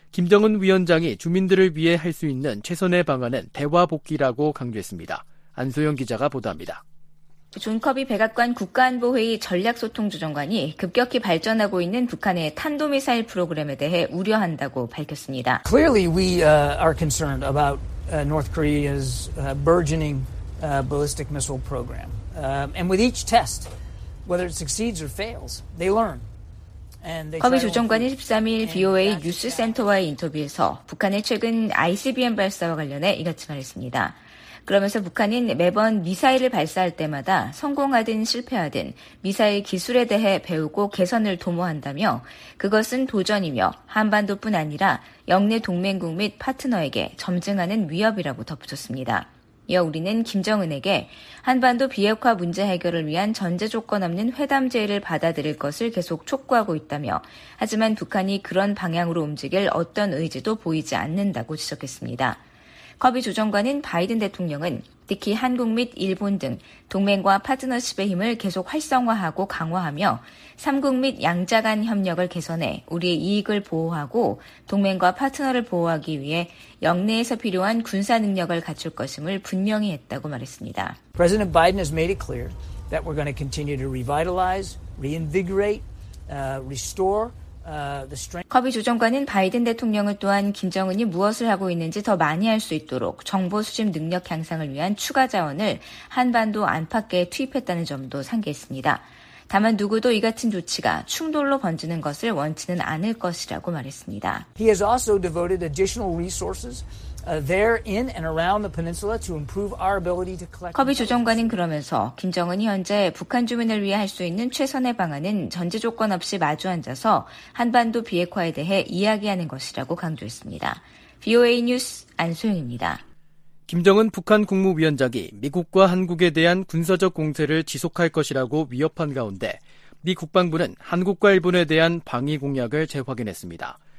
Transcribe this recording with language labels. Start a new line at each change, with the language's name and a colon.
Korean: 김정은 위원장이 주민들을 위해 할 수 있는 최선의 방안은 대화 복귀라고 강조했습니다. 안소영 기자가 보도합니다. 존 커비 백악관 국가안보회의 전략소통조정관이 급격히 발전하고 있는 북한의 탄도미사일 프로그램에 대해 우려한다고 밝혔습니다.
English: Clearly we are concerned about North Korea's burgeoning ballistic missile program. And with each test, whether it succeeds or fails, they learn.
Korean: 허비 조정관이 13일 VOA 뉴스센터와의 인터뷰에서 북한의 최근 ICBM 발사와 관련해 이같이 말했습니다. 그러면서 북한은 매번 미사일을 발사할 때마다 성공하든 실패하든 미사일 기술에 대해 배우고 개선을 도모한다며 그것은 도전이며 한반도뿐 아니라 영내 동맹국 및 파트너에게 점증하는 위협이라고 덧붙였습니다. 이어 우리는 김정은에게 한반도 비핵화 문제 해결을 위한 전제 조건 없는 회담 제의를 받아들일 것을 계속 촉구하고 있다며 하지만 북한이 그런 방향으로 움직일 어떤 의지도 보이지 않는다고 지적했습니다. 커비 조정관인 바이든 대통령은 특히 한국 및 일본 등 동맹과 파트너십의 힘을 계속 활성화하고 강화하며 3국 및 양자 간 협력을 개선해 우리의 이익을 보호하고 동맹과 파트너를 보호하기 위해 영내에서 필요한 군사 능력을 갖출 것임을 분명히 했다고 말했습니다.
English: President Biden has made it clear that we're going to continue to revitalize, reinvigorate, restore.
Korean: 커비 조정관은 바이든 대통령을 또한 김정은이 무엇을 하고 있는지 더 많이 할 수 있도록 정보 수집 능력 향상을 위한 추가 자원을 한반도 안팎에 투입했다는 점도 상기했습니다. 다만 누구도 이 같은 조치가 충돌로 번지는 것을 원치는 않을 것이라고 말했습니다.
English: He has also devoted additional resources there in and around the peninsula to improve our ability to collect.
Korean: 커비 조정관은 그러면서 김정은이 현재 북한 주민을 위해 할 수 있는 최선의 방안은 전제 조건 없이 마주 앉아서 한반도 비핵화에 대해 이야기하는 것이라고 강조했습니다. VOA 뉴스 안소영입니다. 김정은 북한 국무위원장이 미국과 한국에 대한 군사적 공세를 지속할 것이라고 위협한 가운데 미 국방부는 한국과 일본에 대한 방위 공약을 재확인했습니다.